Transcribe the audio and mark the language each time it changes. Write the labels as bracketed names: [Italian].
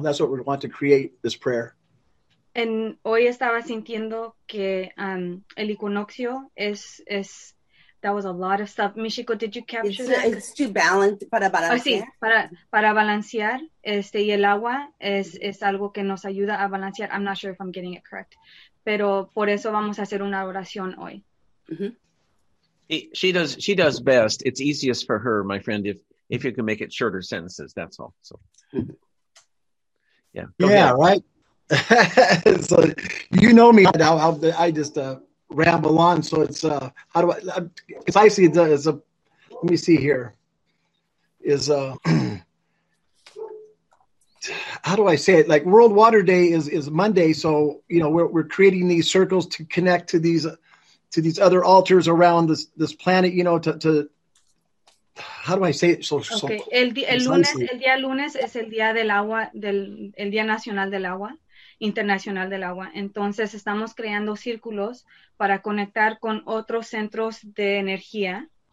[English] That's what we want to create, this prayer. [Spanish] And hoy estaba sintiendo que el equinoccio es [English] that was a lot of stuff. Michiko, did you capture it's, that? It's to balance, [Spanish] para balancear. Sí, para balancear, y el agua es algo que nos ayuda a balancear. [English] I'm not sure if I'm getting it correct. [Spanish] Pero por eso vamos a hacer una oración hoy. [English] Mm-hmm. She does best. It's easiest for her, my friend, if you can make it shorter sentences, that's all. So, Yeah, right. So, you know me now. I just ramble on. So it's how do I? Because I see it as a. Let me see here. Is how do I say it? Like World Water Day is Monday. So you know we're creating these circles to connect to these other altars around this planet. You know to. How do I say it? [Spanish] El día lunes es el día del agua, el día nacional del agua, internacional del agua. Entonces estamos creando círculos para conectar con otros centros de energía.